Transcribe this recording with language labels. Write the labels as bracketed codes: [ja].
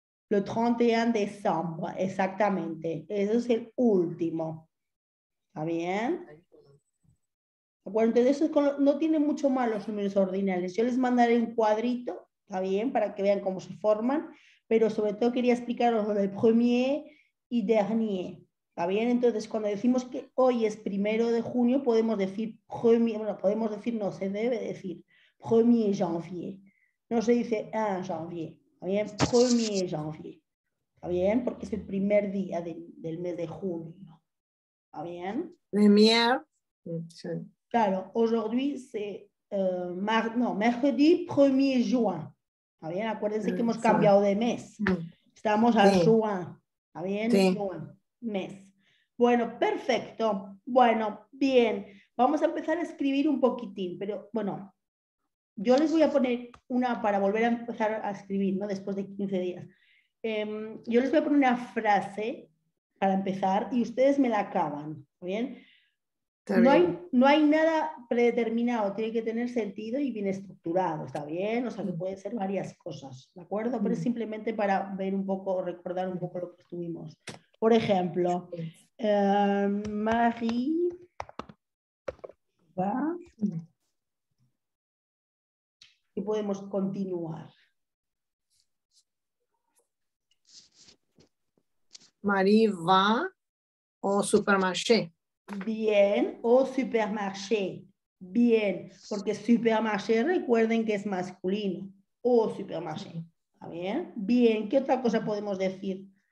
[fr] Le 31 décembre, exactamente. [es] Ese es el último. ¿Está bien? Bueno, entonces no tienen mucho mal los números ordinales. Yo les mandaré un cuadrito, ¿está bien? Para que vean cómo se forman. Pero sobre todo quería explicaros lo del premier y dernier. ¿Está bien? Entonces, cuando decimos que hoy es primero de junio, podemos decir premier, bueno, podemos decir, no, se debe decir premier janvier. No se dice un janvier. ¿Está bien? Premier janvier. ¿Está bien? Porque es el primer día del mes de junio. ¿Está bien? Premier. Sí. Claro, [fr] aujourd'hui c'est mercredi 1er juin. [es] ¿Está bien? Acuérdense que hemos cambiado de mes. Estamos al juin. ¿Está bien? Sí. Juin, mes. Bueno, perfecto. Bueno, bien. Vamos a empezar a escribir un poquitín, pero bueno, yo les voy a poner una para volver a empezar a escribir, ¿no? Después de 15 días. Yo les voy a poner una frase para empezar y ustedes me la acaban. ¿Está bien? No hay nada predeterminado, tiene que tener sentido y bien estructurado, ¿está bien? O sea, que pueden ser varias cosas, ¿de acuerdo? Pero es simplemente para ver un poco, recordar un poco lo que estuvimos. Por ejemplo, Marie va. Y podemos continuar. [fr] Marie va au supermarché. [es] Bien, o supermarché. Bien, porque supermarché, recuerden que es masculino. O supermarché. ¿Está bien? Bien, ¿qué otra cosa podemos decir?